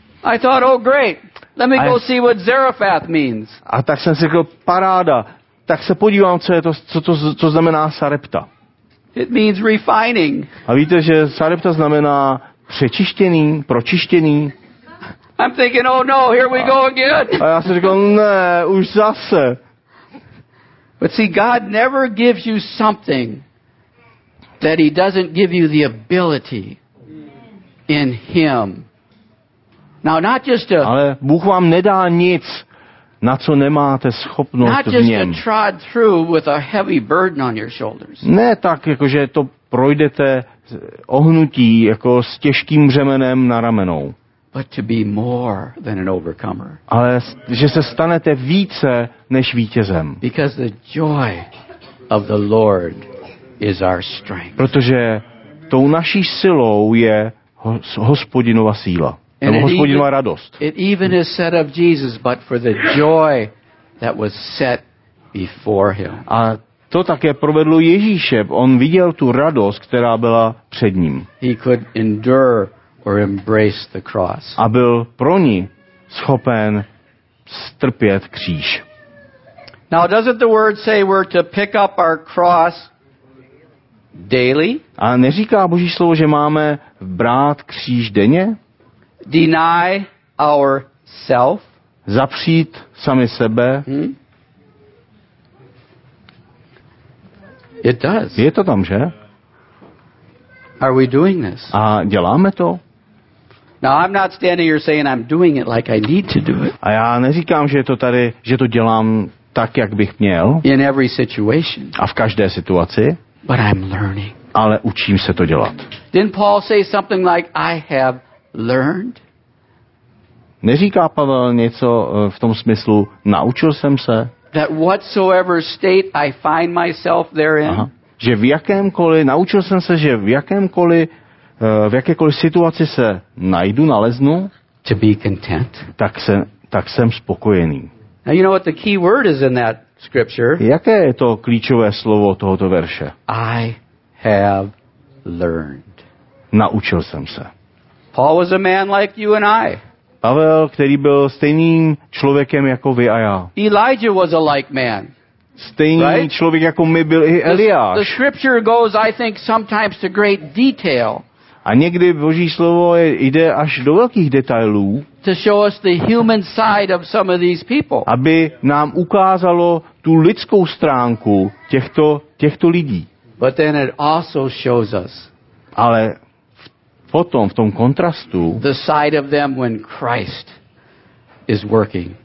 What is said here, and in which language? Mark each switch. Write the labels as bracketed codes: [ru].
[en] I thought, oh great, let me go see what Zarephath means. [cs] A tak jsem si řekl, paráda, tak se podívám, co znamená Sarepta. [en] It means refining. [cs] A víte, že Sarepta znamená přečištěný, pročištěný. [en] I'm thinking, oh no, here we go again. [cs] A já jsem řekl, ne, už zase. [en] But see, God never gives you something that he doesn't give you the ability in him. Now, not just a, [cs] ale Bůh vám nedá nic, na co nemáte schopnost v něm. [en] To trod through with a heavy burden on your shoulders. [cs] Ne tak, jakože to projdete ohnutí jako s těžkým břemenem na ramenou. But to be more than an overcomer. Ale že se stanete více než vítězem. Because the joy of the Lord is our strength. Protože tou naší silou je Hospodinova síla. Nebo Hospodinova radost. [en] It even is said of Jesus, but for the joy that was set before him. [cs] A to také provedlo Ježíše. On viděl tu radost, která byla před ním. [en] He could endure or embrace the cross. [cs] A byl pro ní schopen strpět kříž. [en] Now doesn't the word say we're to pick up our cross daily? [cs] A neříká Boží slovo, že máme brát kříž denně? [en] Deny our self? [cs] Zapřít sami sebe? [en] It does. [cs] Je to tam, že? [en] Are we doing this? [cs] A děláme to? [en] Now I'm not standing here saying I'm doing it like I need to do it. [cs] A já neříkám, že to tady, že to dělám tak, jak bych měl. [en] In every situation. [cs] A v každé situaci. [en] But I'm learning. [cs] Ale učím se to dělat. [en] Didn't Paul say something like I have learned? [cs] Neříká Pavel něco v tom smyslu, naučil jsem se? [en] That whatsoever state I find myself therein. Aha. [cs] Že v jakémkoliv, naučil jsem se, že v jakémkoliv v jakékoliv situaci se najdu, naleznu, [en] to be content. [cs] Tak jsem spokojený. [en] Now you know what the key word is in that scripture? [cs] Jaké je to klíčové slovo tohoto verše? [en] I have learned. [cs] Naučil jsem se. [en] Paul was a man like you and I. [cs] Pavel, který byl stejným člověkem jako vy a já. [en] Elijah was a like man. [cs] Stejný [en] right? [cs] člověk jako my byl i Eliáš. [en] The scripture goes, I think, sometimes to great detail. [cs] A někdy Boží slovo jde až do velkých detailů, [en] to show us the human side of some of these people. [cs] Aby nám ukázalo tu lidskou stránku těchto lidí. [en] But then it also shows us. [cs] Ale potom v tom kontrastu [en] the side of them when Christ is working.